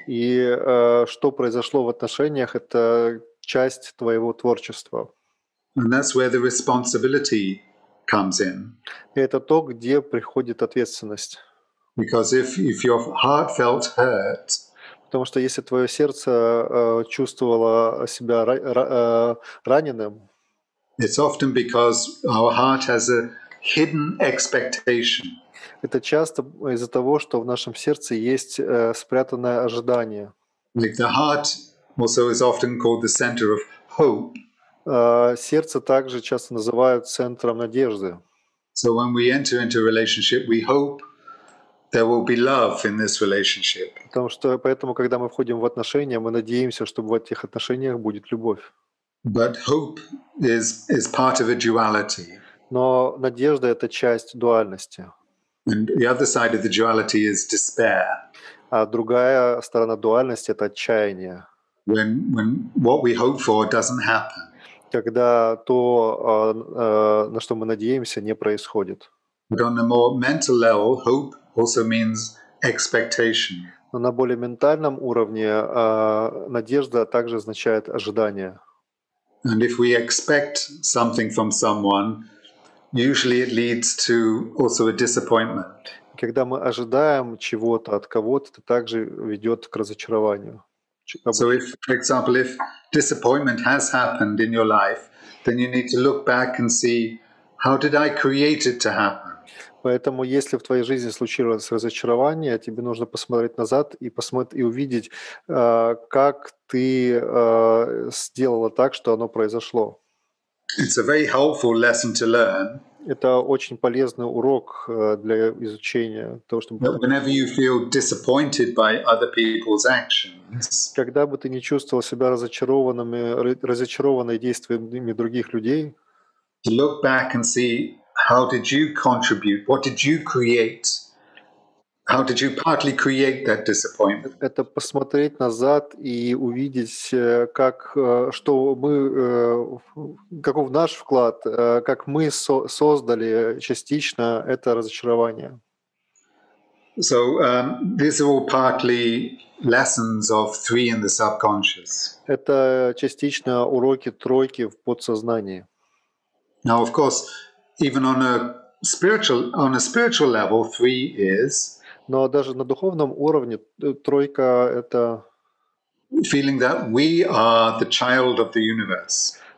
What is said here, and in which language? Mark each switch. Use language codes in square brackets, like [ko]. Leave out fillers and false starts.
[ru] И что произошло в отношениях — это часть твоего творчества. [en] And that's where the responsibility comes in. [ru] И это то, где приходит ответственность. [en] Because if your heart felt hurt, [ru] потому что если твое сердце чувствовало себя раненым, [en] it's often because our heart has a hidden expectation. [ru] Это часто из-за того, что в нашем сердце есть спрятанное ожидание. [en] Like the heart also is often called the center of hope. [ru] Сердце также часто называют центром надежды. [en] So when we enter into a relationship, we hope there will be love in this relationship. [ru] Потому что поэтому, когда мы входим в отношения, мы надеемся, что в этих отношениях будет любовь. [en] But hope is part of a duality. [ru] Но надежда — это часть дуальности. [en] And the other side of the duality is despair. [ru] А другая сторона дуальности — это отчаяние. [en] When what we hope for doesn't happen. [ru] Когда то, на что мы надеемся, не происходит. [en] But on a more mental level, hope also means expectation. [ru] Но на более ментальном уровне надежда также означает ожидание. [en] And if we expect something from someone, usually it leads to also a disappointment. [ru] Когда мы ожидаем чего-то от кого-то, это также ведет к разочарованию. [en] So if, for example, if disappointment has happened in your life, then you need to look back and see, how did I create it to happen? [ru] Поэтому, если в твоей жизни случилось разочарование, тебе нужно посмотреть назад и посмотреть и увидеть, как ты сделала так, что оно произошло. [en] It's a very helpful lesson to learn. [ru] Это очень полезный урок для изучения того, чтобы. [en] Whenever you feel disappointed by other people's actions, [ru] когда бы ты не чувствовал себя разочарованным действиями других людей, [en] look back and see how did you contribute, what did you create, how did you partly create that disappointment. [ru] Это посмотреть назад и увидеть, как что мы, каков наш вклад, как мы создали частично это разочарование. [en] So these are all partly lessons of three in the subconscious. [ru] Это частично уроки тройки в подсознании. [en] Now of course, even on a spiritual level, three is. [ru] Но даже на духовном уровне тройка — это [en] feeling that we are the child of the universe.